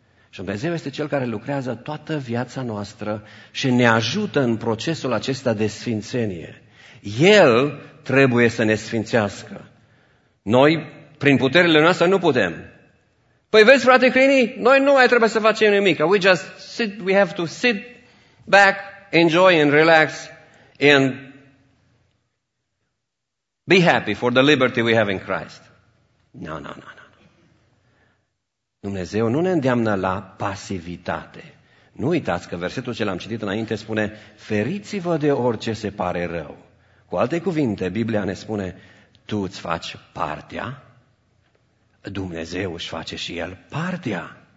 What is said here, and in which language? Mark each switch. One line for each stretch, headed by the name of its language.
Romanian: Și Dumnezeu este Cel care lucrează toată viața noastră și ne ajută în procesul acesta de sfințenie. El trebuie să ne sfințească. Noi, prin puterile noastre, nu putem. Păi vezi, frate Crini, noi nu mai trebuie să facem nimic.
English: We just sit, we have to sit back, enjoy and relax and be happy for the liberty we have in Christ. No.
Romanian: Dumnezeu nu ne îndeamnă la pasivitate. Nu uitați că versetul ce l-am citit înainte spune: feriți-vă de orice se pare rău. Cu alte cuvinte, Biblia ne spune: tu îți faci partea, Dumnezeu își face și El partea.